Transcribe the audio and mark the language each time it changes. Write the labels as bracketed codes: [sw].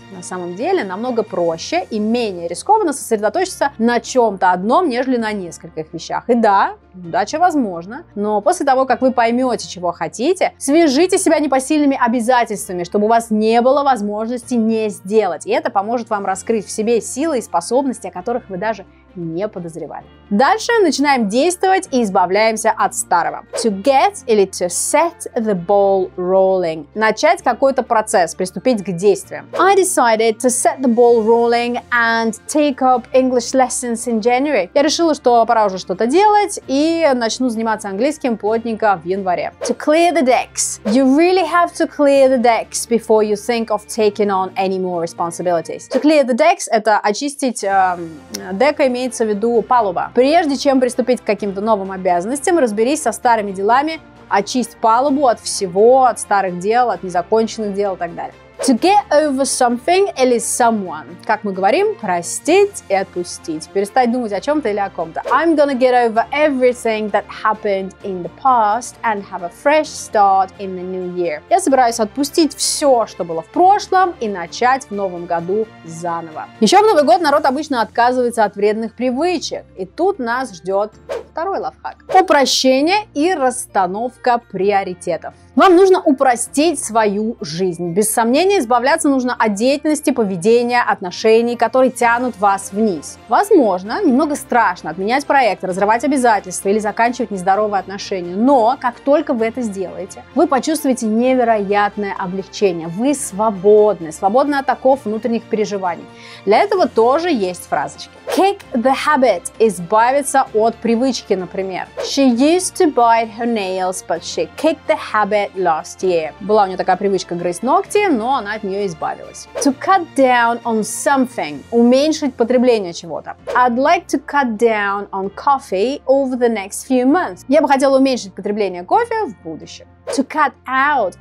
[ru] На самом деле намного проще и менее рискованно сосредоточиться на чем-то одном, нежели на нескольких вещах. И да, удача возможна, но после того, как вы поймете, чего хотите, свяжите себя непосильными обязательствами, чтобы у вас не было возможности не сделать. И это поможет вам раскрыть в себе силы и способности, о которых вы даже не подозревали. Дальше начинаем действовать и избавляемся от старого. [en] To get или to set the ball rolling. [ru] Начать какой-то процесс, приступить к действиям. [en] I decided to set the ball rolling and take up English lessons in January. [ru] Я решила, что пора уже что-то делать и начну заниматься английским плотненько в январе. [en] To clear the decks. You really have to clear the decks before you think of taking on any more responsibilities. To clear the decks [ru] – это очистить дека, имеется в виду палуба. Прежде чем приступить к каким-то новым обязанностям, разберись со старыми делами, очисть палубу от всего, от старых дел, от незаконченных дел и так далее. [en] To get over something or someone. [ru] Как мы говорим, простить и отпустить. Перестать думать о чем-то или о ком-то. [en] I'm gonna get over everything that happened in the past and have a fresh start in the new year. [ru] Я собираюсь отпустить все, что было в прошлом, и начать в новом году заново. Еще в Новый год народ обычно отказывается от вредных привычек. И тут нас ждет второй лайфхак. Упрощение и расстановка приоритетов. Вам нужно упростить свою жизнь. Без сомнения, избавляться нужно от деятельности, поведения, отношений, которые тянут вас вниз. Возможно, немного страшно отменять проект, разрывать обязательства или заканчивать нездоровые отношения. Но как только вы это сделаете, вы почувствуете невероятное облегчение. Вы свободны, свободны от оков внутренних переживаний. Для этого тоже есть фразочки. [en] Kick the habit. [ru] Избавиться от привычки, например. [en] She used to bite her nails, but she kicked the habit. Last year. [ru] Была у нее такая привычка грызть ногти, но она от нее избавилась. [en] To cut down on something. [ru] Уменьшить потребление чего-то. [en] I'd like to cut down on coffee over the next few months. [ru] Я бы хотела уменьшить потребление кофе в будущем. [en] To cut out.